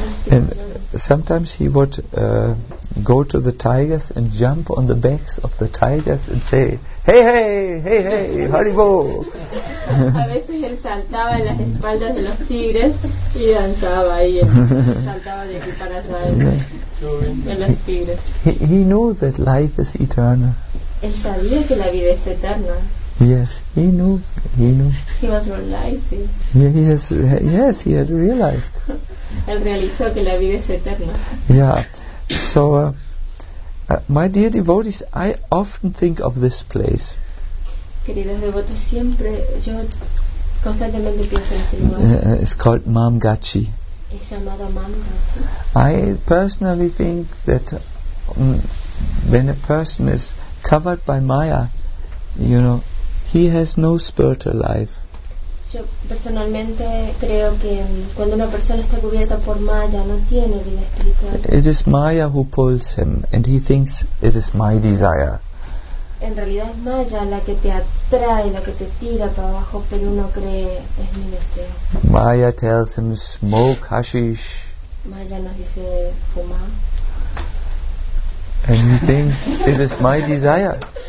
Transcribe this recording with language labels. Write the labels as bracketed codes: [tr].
[en] And sometimes he would go to the tigers and jump on the backs of the tigers and say, "Hey, hey, hey, hey, Haribo!" [es] A veces él saltaba en las espaldas de los tigres y danzaba ahí. Saltaba de aquí para allá en los tigres. [en] He knew that life is eternal. [es] Él sabía que la vida es eterna. [en] Yes, he knew. He was realizing. Yes, he had realized. [es] Él realizó que la vida es eterna. [en] Yeah, so, my dear devotees, I often think of this place. [es] Queridos devotos, siempre, yo constantemente pienso en este lugar. [en] It's called Mam Gachi. [es] Es llamado Mam Gachi. [en] I personally think that when a person is covered by Maya, you know, he has no spiritual life. [es] Yo personalmente creo que cuando una persona está cubierta por Maya no tiene vida espiritual. [en] It is Maya who pulls him, and he thinks it is my desire. [es] En realidad es Maya la que te atrae, la que te tira para abajo, pero uno cree es mi deseo. [en] Maya tells him smoke hashish. [es] Maya nos dice fuma. [en] And he thinks it is my desire.